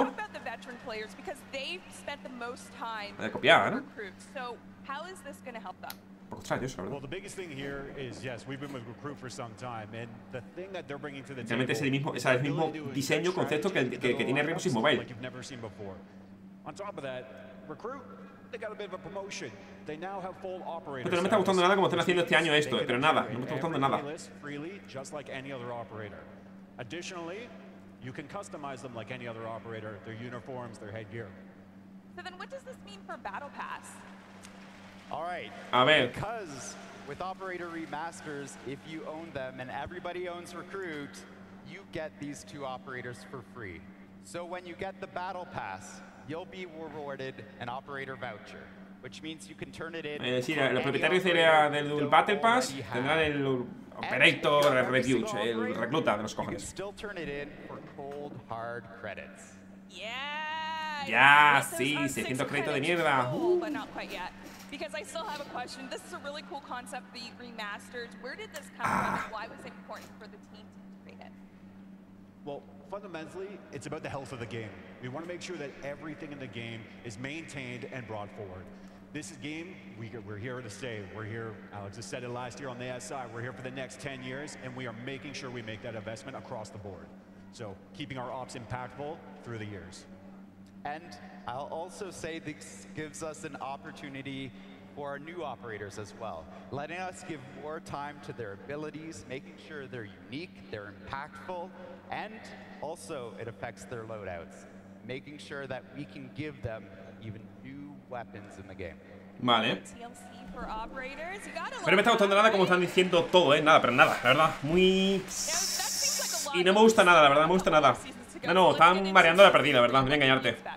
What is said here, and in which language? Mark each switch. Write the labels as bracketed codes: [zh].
[en] Talk about the veteran players because they've spent the most time. [es] Vaya copiada, ¿no? [en] So how is this going to help them? Well, the biggest thing here is, yes, we've been with recruit for some time, and the thing that they're bringing to the table is [es] el mismo diseño, concepto que tiene Remus y Mobile. [en] Like you've never seen before. On top of that, recruit, they got a bit of a promotion. They now have full operator. [es] Pero no me está gustando nada como están haciendo este año esto, pero nada, no me está gustando nada. [en] Freely, just like any other operator. Additionally, you can customize them like any other operator, their uniforms, their headgear. So then what does this mean for battle pass? All right. [es] A ver. [en] Because with operator remasters, if you own them and everybody owns recruit, you get these two operators for free. So when you get the battle pass, you'll be rewarded an operator voucher, which means you can turn it in. [es] Sí, el propietario del battle pass tendrá el operator review, el recluta de los cojones. [en] You can still turn it in for cold hard credits. Yeah. [es] Ya, sí, 600 créditos de mierda. [en] But not quite yet. Because I still have a question. This is a really cool concept, the remasters. Where did this come from? Why was it important for the team to create it? Well, fundamentally, it's about the health of the game. We want to make sure that everything in the game is maintained and brought forward. This game, we're here to stay. We're here, Alex has said it last year on the SI, we're here for the next 10 years, and we are making sure we make that investment across the board. So keeping our ops impactful through the years. And I'll also say this gives us an opportunity for our new operators as well, letting us give more time to their abilities, making sure they're unique, they're impactful, and also it affects their loadouts, making sure that we can give them even new weapons in the game. [es] Vale. [en] TLC for operators. You gotta [es] pero me está gustando nada como están diciendo todo, ¿eh? Nada, pero nada, la verdad. Muy... Y no me gusta nada, la verdad, me gusta nada. No, no, están mareando la perdida, ¿verdad? Voy a engañarte.